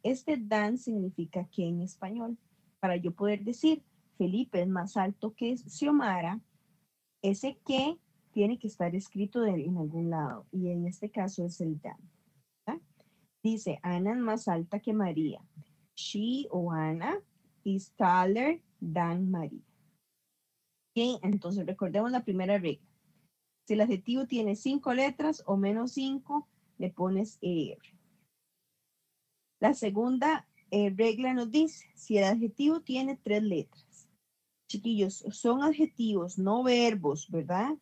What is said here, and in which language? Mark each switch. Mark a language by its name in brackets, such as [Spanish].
[Spanish] Este than significa que en español. Para yo poder decir, Felipe es más alto que Xiomara, ese que tiene que estar escrito en algún lado, y en este caso es el than. Dice, Ana es más alta que María. [English] She o Ana is taller than María. [Spanish] Okay, entonces recordemos la primera regla. Si el adjetivo tiene cinco letras o menos cinco, le pones ER. La segunda regla nos dice, si el adjetivo tiene tres letras. Chiquillos, son adjetivos, no verbos, ¿verdad?